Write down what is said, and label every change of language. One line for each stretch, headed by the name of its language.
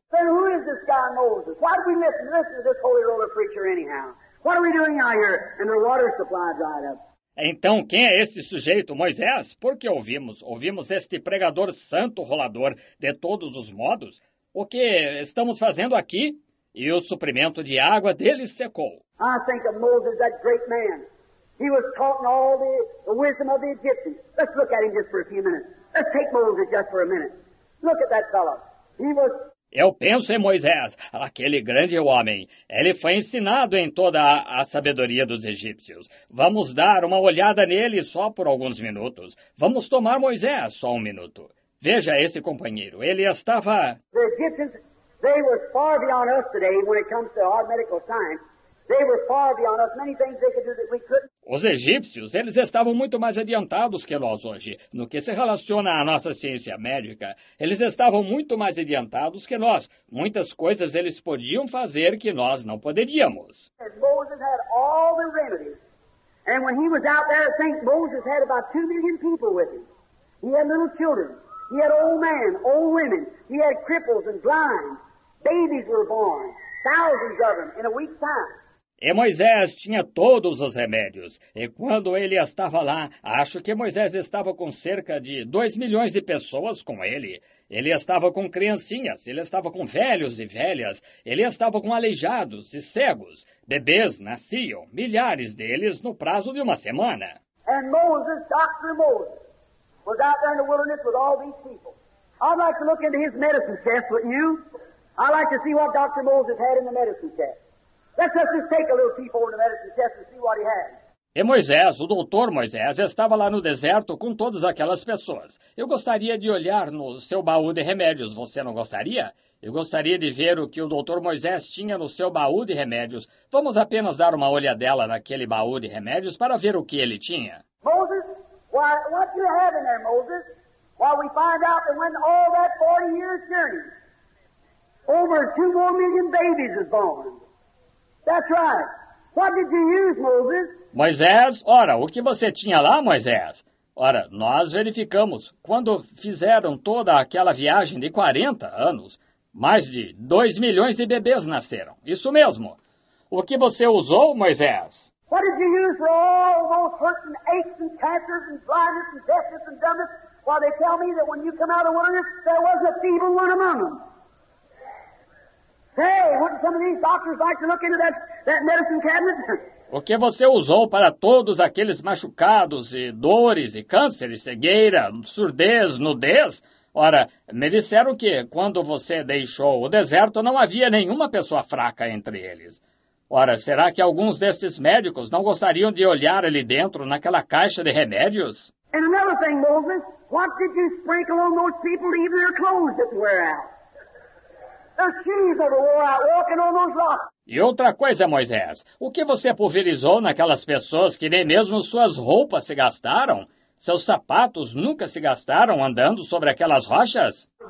English: Then who is this guy Moses? Why do we listen to this holy roller preacher anyhow? What are we doing out here? And the water supply dried up.
Portuguese: Então, quem é este sujeito, Moisés? Por que ouvimos? Ouvimos este pregador santo rolador de todos os modos? O que estamos fazendo aqui? E o suprimento de água dele secou.
English: I think of Moses, that great man. He was taught in all the wisdom of the Egyptians. Let's look at him just for a few minutes. Let's take Moses just for a minute. Look at that fellow. He was...
Portuguese: Eu penso em Moisés, aquele grande homem. Ele foi ensinado em toda a sabedoria dos egípcios. Vamos dar uma olhada nele só por alguns minutos. Vamos tomar Moisés só um minuto. Veja esse companheiro. Ele estava...
English: The Egyptians, they were far beyond us today when it comes to our medical science. They were far beyond us. Many things they could do that we couldn't.
Portuguese: Os egípcios, eles estavam muito mais adiantados que nós hoje, no que se relaciona à nossa ciência médica. Eles estavam muito mais adiantados que nós. Muitas coisas eles podiam fazer que nós não poderíamos.
English: Moses had all the remedies. And when he was out there, I think Moses had about 2 million people with him. He had little children. He had old men, old women. He had cripples and blind. Babies were born. Thousands of them in a week's time.
Portuguese: E Moisés tinha todos os remédios. E quando ele estava lá, acho que Moisés estava com cerca de 2 milhões de pessoas com ele. Ele estava com criancinhas, ele estava com velhos e velhas, ele estava com aleijados e cegos. Bebês nasciam, milhares deles, no prazo de uma semana.
English: And Moses, Dr. Moses, was out there in the wilderness with all these people. I'd like to look into his medicine chest with you. I'd like to see what Dr. Moses had in the medicine chest. Let's just take a little peep over the medicine chest and see what he has.
Portuguese: E Moisés, o doutor Moisés, estava lá no deserto com todas aquelas pessoas. Eu gostaria de olhar no seu baú de remédios, você não gostaria? Eu gostaria de ver o que o doutor Moisés tinha no seu baú de remédios. Vamos apenas dar uma olhadela naquele baú de remédios para ver o que ele tinha.
English: Moses, why, what do you have in there, Moses? While we find out that when all that 40 years journey, over 2 more million babies is born. That's right. What did you use, Moses?
Portuguese: Moisés, ora, o que você tinha lá, Moisés? Ora, nós verificamos, quando fizeram toda aquela viagem de 40 anos, mais de 2 milhões de bebês nasceram. Isso mesmo. O que você usou, Moisés?
English: What did you use for all those hurts and aches and cancers and blindness and deafness and dumbness while they tell me that when you come out of wilderness, there was a feeble one among them? Hey, wouldn't some of these doctors like to look into that medicine cabinet?
Portuguese: O que você usou para todos aqueles machucados e dores e câncer e cegueira, surdez, nudez? Ora, me disseram que quando você deixou o deserto não havia nenhuma pessoa fraca entre eles. Ora, será que alguns destes médicos não gostariam de olhar ali dentro naquela caixa de remédios? E outra coisa,
English: Moses,
Portuguese: o que você
English: sprinkle on those people to even their clothes just wear out? Their shoes are worn out walking on those rocks.
Portuguese: E outra coisa, Moisés, o que você pulverizou naquelas pessoas que nem mesmo suas roupas se gastaram? Seus sapatos nunca se gastaram andando sobre aquelas rochas?